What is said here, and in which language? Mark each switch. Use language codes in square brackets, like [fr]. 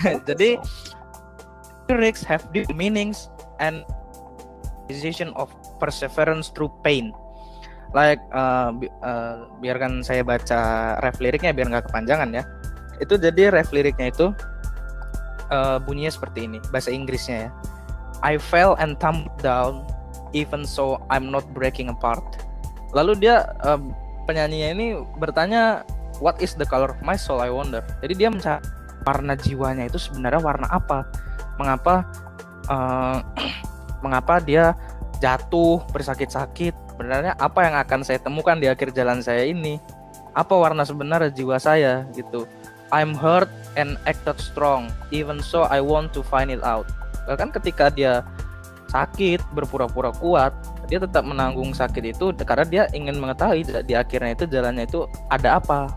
[en] Jadi lyrics have deep meanings and decision of perseverance through pain. [id] Like biarkan saya baca ref liriknya biar nggak kepanjangan ya. Itu jadi ref liriknya itu. Bunyinya seperti ini, bahasa Inggrisnya ya. [en] I fell and tumbled down, even so I'm not breaking apart. [id] Lalu dia, penyanyinya ini bertanya, [en] what is the color of my soul, I wonder. [id] Jadi dia mencari warna jiwanya itu sebenarnya warna apa. Mengapa mengapa dia jatuh, bersakit-sakit. Sebenarnya apa yang akan saya temukan di akhir jalan saya ini. Apa warna sebenarnya jiwa saya, gitu. [en] I'm hurt and acted strong, even so I want to find it out. [id] Bahkan ketika dia sakit, berpura-pura kuat, dia tetap menanggung sakit itu karena dia ingin mengetahui di akhirnya itu jalannya itu ada apa.